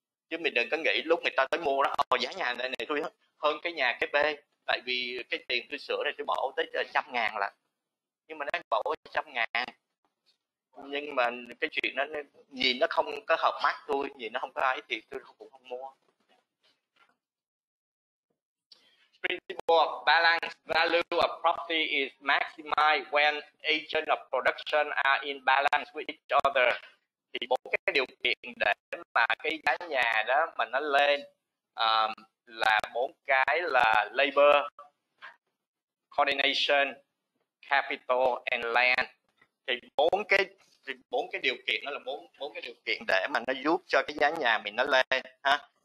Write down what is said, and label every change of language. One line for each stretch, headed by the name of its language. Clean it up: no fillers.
Vietnamese: Chứ mình đừng có nghĩ lúc người ta tới mua đó, giá nhà này này tôi hơn cái nhà cái B, tại vì cái tiền tôi sửa này tôi bỏ tới 100.000 là. Nhưng mà nó bỏ 100.000. Nhưng mà cái chuyện đó nhìn nó không có hợp mắt tôi, nhìn nó không có ấy thì tôi cũng không mua.
English: Principle of balance: value of property is maximized when agents of production are in balance with each other.
Vietnamese: Thì bốn cái điều kiện để mà cái giá nhà đó mà nó lên là bốn cái là
English: labor, coordination, capital and land.
Vietnamese: Thì bốn cái điều kiện đó là bốn cái điều kiện để mà nó giúp cho cái giá nhà mình nó lên ha.